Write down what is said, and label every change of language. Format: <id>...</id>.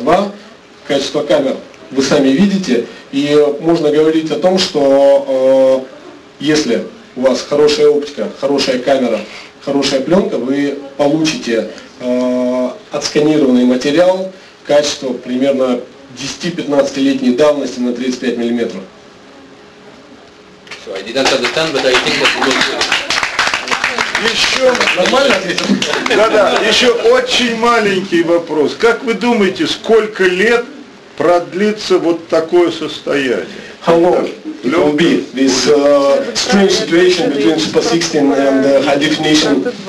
<ru>Два, качество камер вы сами видите. И можно говорить о том, что если у вас хорошая оптика, хорошая камера, хорошая пленка, вы получите отсканированный материал качество примерно 10-15-летней давности на 35 миллиметров.</ru> <en>So I didn't understand, but I think that it was...</en> <ru>Еще нормально ответил? Да-да, еще очень маленький вопрос. Как вы думаете, сколько лет продлится вот такое состояние?</ru> <en>How long it will be, this strange situation between Super 16 and high definition?</en>